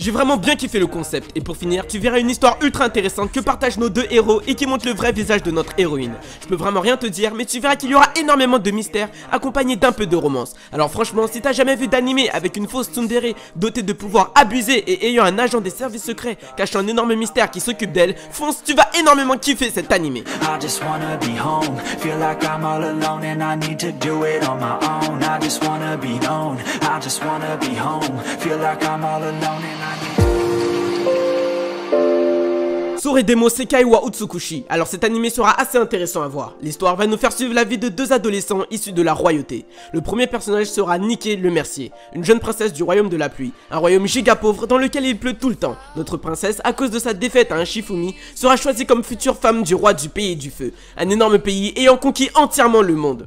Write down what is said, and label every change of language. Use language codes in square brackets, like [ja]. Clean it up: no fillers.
[fr] J'ai vraiment bien kiffé le concept. Et pour finir, tu verras une histoire ultra intéressante que partagent nos deux héros et qui montre le vrai visage de notre héroïne. Je peux vraiment rien te dire, mais tu verras qu'il y aura énormément de mystères accompagnés d'un peu de romance. Alors franchement, si t'as jamais vu d'animé avec une fausse tsundere dotée de pouvoirs abusés et ayant un agent des services secrets cachant un énorme mystère qui s'occupe d'elle, fonce, tu vas énormément kiffer cette animé. [en] I just wanna be home, feel like I'm all alone and I need to do it on my own. I just wanna be known, I just wanna be home, feel like I'm all alone and I need to. [ja] Soredemo Sekai wa Utsukushi. [fr] Alors cet animé sera assez intéressant à voir. L'histoire va nous faire suivre la vie de deux adolescents issus de la royauté. Le premier personnage sera Nike le Mercier, une jeune princesse du royaume de la pluie, un royaume giga pauvre dans lequel il pleut tout le temps. Notre princesse, à cause de sa défaite à un Shifumi, sera choisie comme future femme du roi du pays du feu, un énorme pays ayant conquis entièrement le monde.